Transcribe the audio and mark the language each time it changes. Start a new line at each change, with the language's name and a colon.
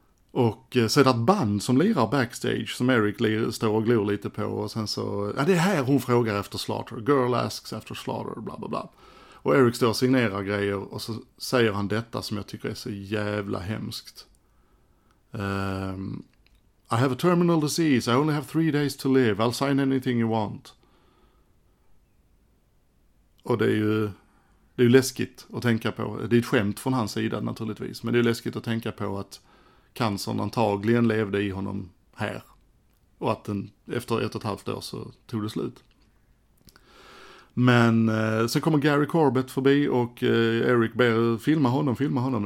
Swedish: Och så är det ett band som lirar backstage som Eric står och glor lite på, och sen så, ja det är här hon frågar efter Slaughter,
English: girl asks after Slaughter,
Swedish: bla bla bla. Och Eric står och signerar grejer och så säger han detta som jag tycker är så jävla hemskt.
English: I have a terminal disease, I only have 3 days to live, I'll sign anything you want.
Swedish: Och det är ju läskigt att tänka på, det är ett skämt från hans sida naturligtvis, men det är läskigt att tänka på att cancern antagligen levde i honom här. Och att den, efter 1,5 år så tog det slut. Men sen kommer Gary Corbett förbi och Eric ber filma honom.